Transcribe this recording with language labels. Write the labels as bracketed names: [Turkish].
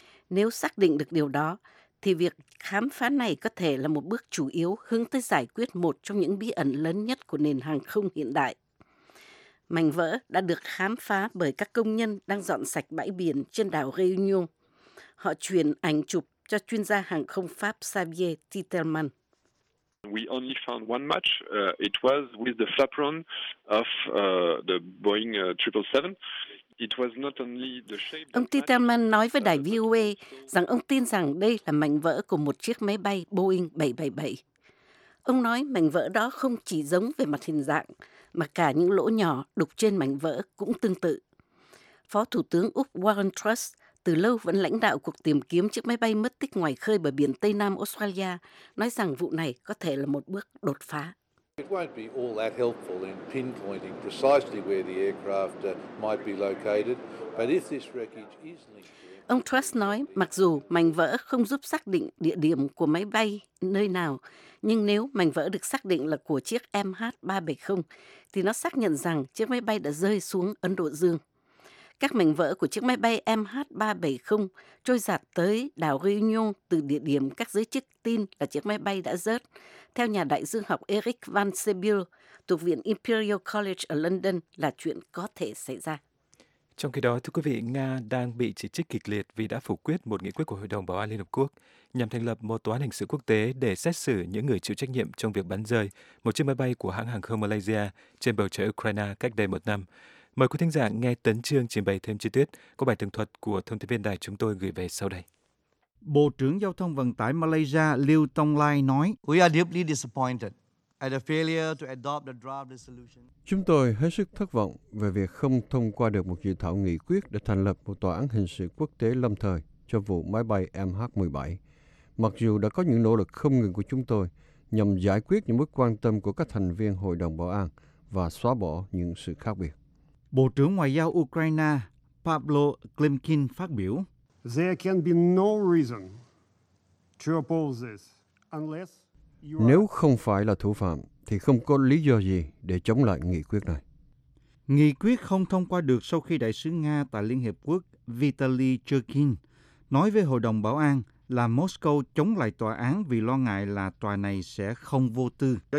[Vietnamese] Nếu xác định được điều đó, thì việc khám phá này có thể là một bước chủ yếu hướng tới giải quyết một trong những bí ẩn lớn nhất của nền hàng không hiện đại. Mảnh vỡ đã được khám phá bởi các công nhân đang dọn sạch bãi biển trên đảo Réunion. Họ chuyển ảnh chụp cho chuyên gia hàng không Pháp Xavier Titelman. [English] We only found one match. It was with the flapron of the Boeing 777. [Vietnamese] Ông Titelman nói với đài VOA rằng ông tin rằng đây là mảnh vỡ của một chiếc máy bay Boeing 777. Ông nói mảnh vỡ đó không chỉ giống về mặt hình dạng, mà cả những lỗ nhỏ đục trên mảnh vỡ cũng tương tự. Phó Thủ tướng Úc Warren Truss từ lâu vẫn lãnh đạo cuộc tìm kiếm chiếc máy bay mất tích ngoài khơi bờ biển Tây Nam Australia, nói rằng vụ này có thể là một bước đột phá. [English] It won't be all that helpful in pinpointing precisely where the aircraft might be located, but if this wreckage is linked. [Vietnamese] Ông Truss nói, mặc dù mảnh vỡ không giúp xác định địa điểm của máy bay nơi nào, nhưng nếu mảnh vỡ được xác định là của chiếc MH370, thì nó xác nhận rằng chiếc máy bay đã rơi xuống Ấn Độ Dương. Các mảnh vỡ của chiếc máy bay MH370 trôi dạt tới đảo Réunion từ địa điểm các giới chức tin là chiếc máy bay đã rớt, theo nhà đại dương học Eric Van Sebiel thuộc Viện Imperial College ở London, là chuyện có thể xảy ra. Trong khi đó, thưa quý vị, Nga đang bị chỉ trích kịch liệt vì đã phủ quyết một nghị quyết của Hội đồng Bảo an Liên Hợp Quốc nhằm thành lập một tòa án hình sự quốc tế để xét xử những người chịu trách nhiệm trong việc bắn rơi một chiếc máy bay của hãng hàng không Malaysia trên bầu trời Ukraine cách đây một năm. Mời quý thính giả nghe Tấn Chương trình bày thêm chi tiết của bài tường thuật của thông tin viên đài chúng tôi gửi về sau đây. Bộ trưởng Giao thông Vận tải Malaysia Liu Tong Lai nói: [English] "We are deeply disappointed at the failure to adopt the draft resolution." [Vietnamese] Chúng tôi hết sức thất vọng về việc không thông qua được một dự thảo nghị quyết để thành lập một tòa án hình sự quốc tế lâm thời cho vụ máy bay MH17. Mặc dù đã có những nỗ lực không ngừng của chúng tôi nhằm giải quyết những mối quan tâm của các thành viên Hội đồng Bảo an và xóa bỏ những sự khác biệt. Bộ trưởng Ngoại giao Ukraine Pavlo Klimkin phát biểu: [English] "There can be no reason to oppose this unless..." [Vietnamese] Nếu không phải là thủ phạm, thì không có lý do gì để chống lại nghị quyết này. Nghị quyết không thông qua được sau khi Đại sứ Nga tại Liên Hiệp Quốc Vitaly Churkin nói với Hội đồng Bảo an là Moscow chống lại tòa án vì lo ngại là tòa này sẽ không vô tư.